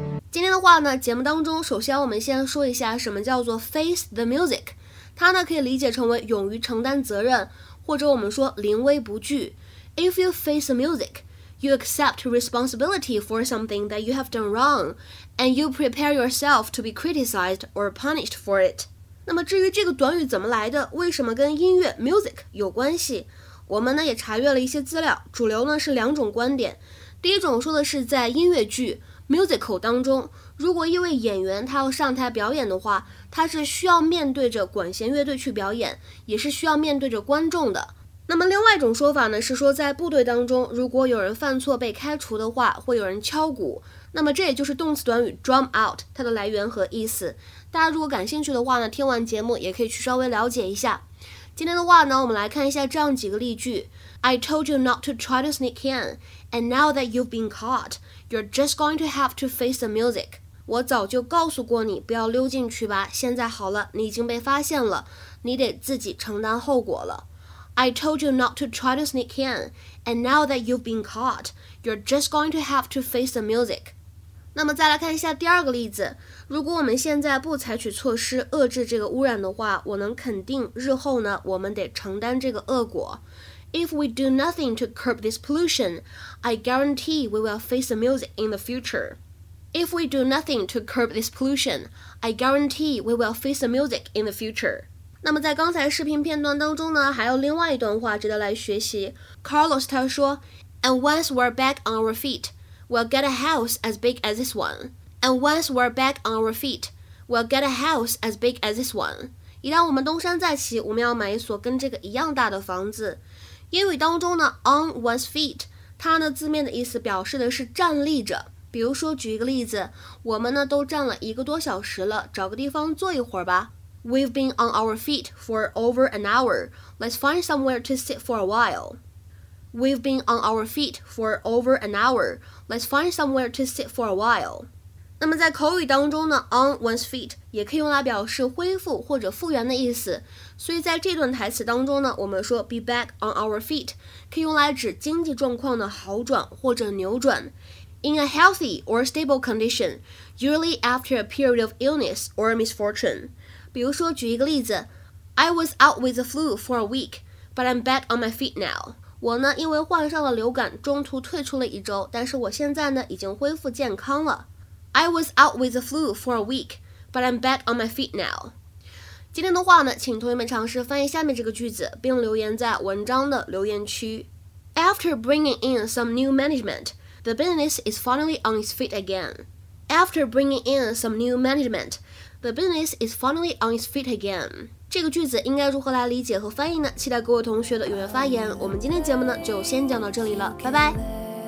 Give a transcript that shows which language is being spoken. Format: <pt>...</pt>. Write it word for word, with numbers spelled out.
<zh>今天的话呢，节目当中，首先我们先说一下什么叫做 face the music。它呢可以理解成为勇于承担责任，或者我们说临危不惧。</zh> <en>If you face the music, you accept responsibility for something that you have done wrong, and you prepare yourself to be criticized or punished for it.</en> <zh>那么至于这个短语怎么来的，为什么跟音乐 music 有关系，我们呢也查阅了一些资料，主流呢是两种观点。第一种说的是在音乐剧 musical 当中，如果一位演员他要上台表演的话，他是需要面对着管弦乐队去表演，也是需要面对着观众的。那么另外一种说法呢，是说在部队当中，如果有人犯错被开除的话，会有人敲鼓。那么这也就是动词短语 drum out 它的来源和意思。大家如果感兴趣的话呢，听完节目也可以去稍微了解一下。今天的话呢，我们来看一下这样几个例句。</zh> <en>I told you not to try to sneak in, and now that you've been caught, you're just going to have to face the music.</en> <zh>我早就告诉过你不要溜进去吧，现在好了，你已经被发现了，你得自己承担后果了。</zh> <en>I told you not to try to sneak in, and now that you've been caught, you're just going to have to face the music.</en> <zh>那么再来看一下第二个例子，如果我们现在不采取措施遏制这个污染的话，我能肯定日后呢，我们得承担这个恶果。</zh> <en>If we do nothing to curb this pollution, I guarantee we will face the music in the future. If we do nothing to curb this pollution, I guarantee we will face the music in the future.</en> <zh>那么在刚才视频片段当中呢，还有另外一段话值得来学习。</zh> <en>Carlos</en> <zh>他说</zh> <en>，And once we're back on our feet, we'll get a house as big as this one. And once we're back on our feet, we'll get a house as big as this one.</en> <zh>一旦我们东山再起，我们要买一所跟这个一样大的房子。英语当中呢 ，on one's feet， 它呢字面的意思表示的是站立着。比如说举一个例子，我们呢都站了一个多小时了，找个地方坐一会儿吧。</zh> <en>We've been on our feet for over an hour. Let's find somewhere to sit for a while. We've been on our feet for over an hour. Let's find somewhere to sit for a while.</en> <zh>那么在口语当中呢 on one's feet 也可以用来表示恢复或者复原的意思，所以在这段台词当中呢，我们说 be back on our feet 可以用来指经济状况的好转或者扭转。</zh> <en>In a healthy or stable condition, usually after a period of illness or misfortune.</en> <zh>比如说举一个例子</zh> <en>I was out with the flu for a week, but I'm back on my feet now.</en> <zh>我呢因为患上了流感中途退出了一周，但是我现在呢已经恢复健康了。</zh> <en>I was out with the flu for a week, but I'm back on my feet now.</en> <zh>今天的话呢，请同学们尝试翻译下面这个句子，并留言在文章的留言区。</zh> <en>After bringing in some new management, the business is finally on its feet again. After bringing in some new management, the business is finally on its feet again.</en> <zh>这个句子应该如何来理解和翻译呢？期待各位同学的踊跃发言。我们今天节目呢，就先讲到这里了，拜拜。</zh>